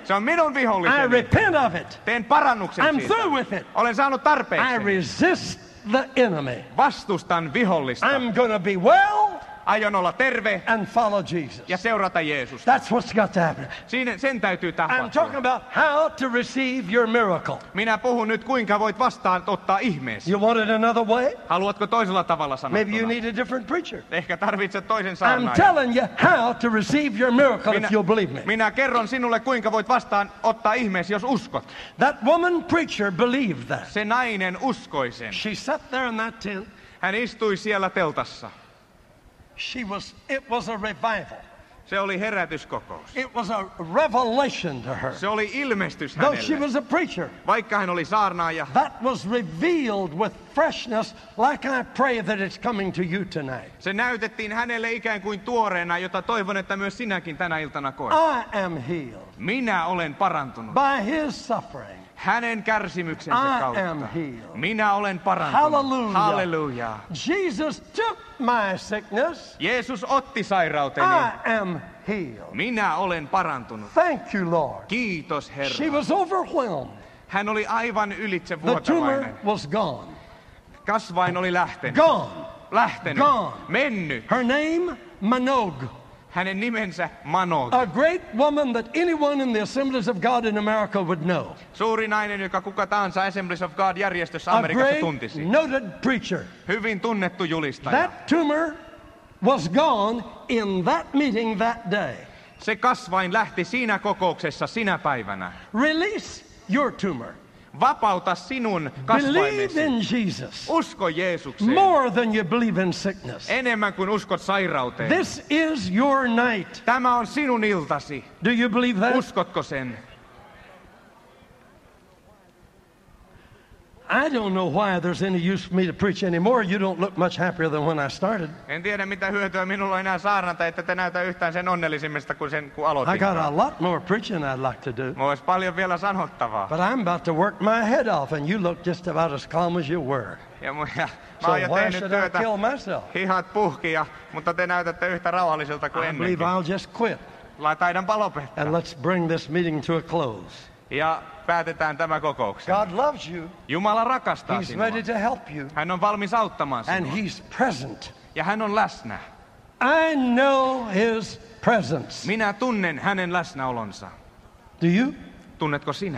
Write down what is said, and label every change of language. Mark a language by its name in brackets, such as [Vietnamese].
[Finnish] Se on minun viholliseni. [English] I repent of it. [Finnish] Teen parannuksen [English] I'm [Finnish] siitä. [English] Through with it. [Finnish] Olen saanut tarpeeksi. [English] I resist the enemy. [Finnish] Vastustan vihollista. [English] I'm gonna be well. [Finnish] Aion olla terve. [English] And follow Jesus. [Finnish] Ja seurata Jeesusta. [English] That's what's got to happen. [Finnish] Siinä, sen täytyy tapahtua. [English] I'm talking about how to receive your miracle. [Finnish] Minä puhun nyt, kuinka voit vastaanottaa ihmeesi. [English] You want it another way? [Finnish] Haluatko toisella tavalla sanottuna? [English] Maybe you need a different preacher. [Finnish] Ehkä tarvitset toisen saarnaajan. [English] I'm telling you how to receive your miracle if you'll believe me. [Finnish] Minä kerron sinulle, kuinka voit vastaanottaa ihmeesi, jos uskot. [English] That woman preacher believed that. [Finnish] Se nainen uskoi sen. [English] She sat there in that tent. [Finnish] Hän istui siellä teltassa. [English] She was. It was a revival. [Finnish] Se oli herätyskokous. [English] It was a revelation to her. [Finnish] Se oli ilmestys hänelle. [English] Though she was a preacher. [Finnish] Vaikka hän oli saarnaaja. [English] That was revealed with freshness, like I pray that it's coming to you tonight. [Finnish] Se näytettiin hänelle ikään kuin tuoreena, jota toivon, että myös sinäkin tänä iltana koet. [English] I am healed. [Finnish] Minä olen parantunut. [English] By his suffering. [Finnish] Hänen kärsimyksensä [English] I [Finnish] kautta. [English] Am healed. [Finnish] Minä olen parantunut. Hallelujah. [English] Jesus took my sickness. [Finnish] Jeesus otti sairauteni. [English] I am healed. [Finnish] Minä olen parantunut. [English] Thank you, Lord. [Finnish] Kiitos, Herra. [English] She was overwhelmed. [Finnish] Hän oli aivan ylitsevuotavainen. [English] The tumor was gone. [Finnish] Kasvain oli lähtenyt. [English] Gone. [Finnish] Lähtenyt. [English] Gone. [Finnish] Mennyt. [English] Her name Manog. [Finnish] Hänen nimensä Manog. [English] A great woman that anyone in the Assemblies of God in America would know. [Finnish] Suuri nainen, joka kuka tahansa Assemblies of God -järjestössä Amerikassa tuntisi. [English] A great noted preacher. [Finnish] Hyvin tunnettu julistaja. [English] That tumor was gone in that meeting that day. [Finnish] Se kasvain lähti siinä kokouksessa sinä päivänä. [English] Release your tumor. [Finnish] Vapauta sinun kasvaimesi. [English] Believe in Jesus. [Finnish] Usko Jeesukseen. [English] More than you believe in sickness. [Finnish] Enemmän kuin uskot sairauteen. [English] This is your night. [Finnish] Tämä on sinun iltasi. [English] Do you believe that? [Finnish] Uskotko sen? [English] I don't know why there's any use for me to preach anymore. You don't look much happier than when I started. [Finnish] En tiedä mitä hyötyä minulla on enää saarnata, että te näytä yhtään sen onnellisimmista kuin sen kun aloitin. [English] I got a lot more preaching I'd like to do. [Finnish] Mulla olisi paljon vielä sanottavaa. [English] But I'm about to work my head off and you look just about as calm as you were. Ja so why should I kill myself? [Finnish] Hihat puhki ja, mutta te näytätte yhtä rauhalliselta kuin ennenkin. [English] I believe I'll just quit. [Finnish] Taidanpa lopettaa. [English] And let's bring this meeting to a close. [Finnish] Ja päätetään tämä kokouksen. [English] God loves you. [Finnish] Jumala rakastaa [English] he's [Finnish] sinua. [English] Ready to help you. [Finnish] Hän on valmis auttamaan sinua. [English] And he's present. [Finnish] Ja hän on läsnä. [English] I know his presence. [Finnish] Minä tunnen hänen läsnäolonsa. [English] Do you? [Finnish] Tunnetko sinä?